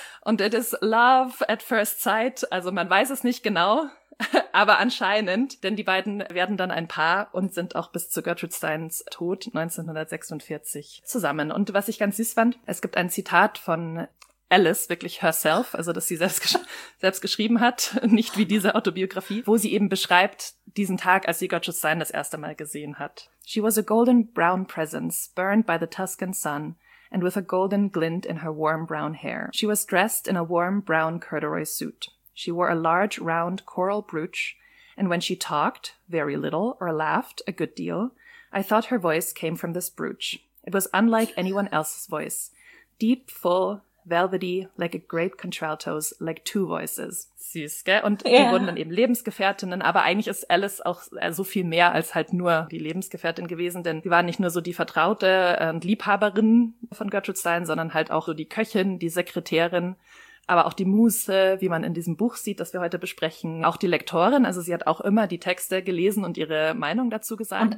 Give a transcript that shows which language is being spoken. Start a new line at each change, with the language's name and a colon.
German: Und
English: it is love at first sight,
German: also man weiß es nicht genau, aber anscheinend, denn die beiden werden dann ein Paar und sind auch bis zu Gertrude Steins Tod 1946 zusammen. Und was ich ganz süß fand, es gibt ein Zitat von Alice, wirklich herself, also dass sie selbst geschrieben hat, nicht wie diese Autobiografie, wo sie eben beschreibt diesen Tag, als sie Gertrude Stein das erste Mal gesehen hat.
English: She was a golden brown presence, burned by the Tuscan sun, and with a golden glint in her warm brown hair. She was dressed in a warm brown corduroy suit. She wore a large round coral brooch, and when she talked, very little, or laughed, a good deal, I thought her voice came from this brooch. It was unlike anyone else's voice. Deep, full, velvety, like a great contralto's, like two voices.
German: Süß, gell? Und die wurden dann eben Lebensgefährtinnen, aber eigentlich ist Alice auch so viel mehr als halt nur die Lebensgefährtin gewesen, denn sie waren nicht nur so die Vertraute und Liebhaberin von Gertrude Stein, sondern halt auch so die Köchin, die Sekretärin, aber auch die Muse, wie man in diesem Buch sieht, das wir heute besprechen, auch die Lektorin, also sie hat auch immer die Texte gelesen und ihre Meinung dazu gesagt.